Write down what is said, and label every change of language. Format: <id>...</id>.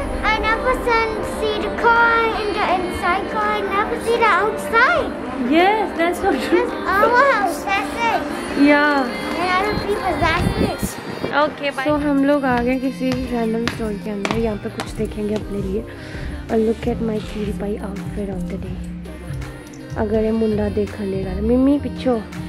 <en>I never see the car in the inside car. I never see the outside. Yes, that's so true. It's our house, that's it. Yeah. And other people, that's it. Okay, bye. So</en> <hi>हम लोग आ गए किसी random store के अंदर, यहाँ पे कुछ देखेंगे अपने लिए।</hi> <en>And look at my cutie outfit of the day.</en> <hi>अगर ये मुंडा देख लेगा, मिमी पिछो।</hi>